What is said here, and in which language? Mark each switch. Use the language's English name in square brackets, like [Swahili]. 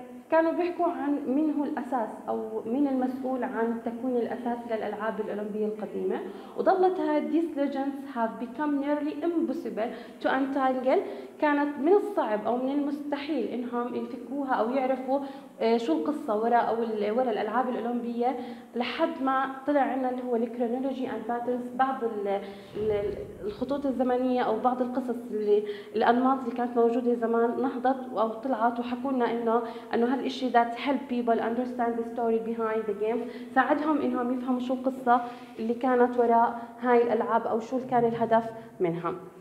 [Arabic] كانوا بيحكوا عن مين هو الأساس أو مين المسؤول عن تكوين الأساس للألعاب الأولمبية القديمة. [English] وظلت these legends have become nearly impossible to untangle. [Arabic] كانت من الصعب أو من المستحيل إنهم يفكوها أو يعرفوا شو القصة وراء أو وراء الألعاب الأولمبية لحد ما طلع عنا اللي هو [English] الكرونولوجي and patterns, [Arabic] بعض الخطوط الزمنية أو بعض القصص اللي الأنماط اللي كانت موجودة زمان نهضت أو طلعت وحكونا إنه هالإشي ذات [English] help people understand the story behind the game، [Arabic] ساعدهم إنهم يفهموا شو القصة اللي كانت وراء هاي الألعاب أو شو كان الهدف منها.